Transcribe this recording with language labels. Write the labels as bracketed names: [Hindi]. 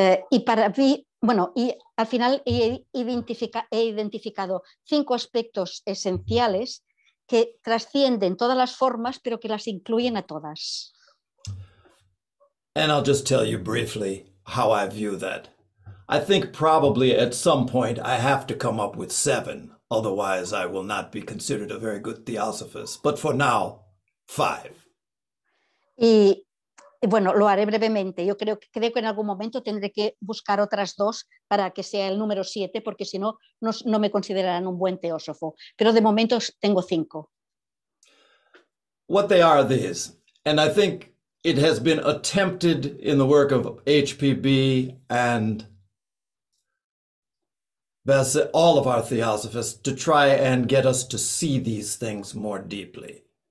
[Spanish] Y para mí, bueno, y al final he identificado cinco aspectos esenciales que trascienden todas las formas, pero que las incluyen a todas. [English] And I'll just tell you briefly how I view that. I think probably at some point I have to come up with seven, otherwise I will not be considered a very good theosophist. But for now, five. [Spanish] Y bueno, lo haré brevemente. Yo creo que en algún momento tendré que buscar otras dos para que sea el número siete, porque si no me considerarán un buen teósofo. Pero de momento tengo cinco. [English] What they are these, and I think it has been attempted in the work of HPB and all of our theosophists to try and get us to see these things more deeply.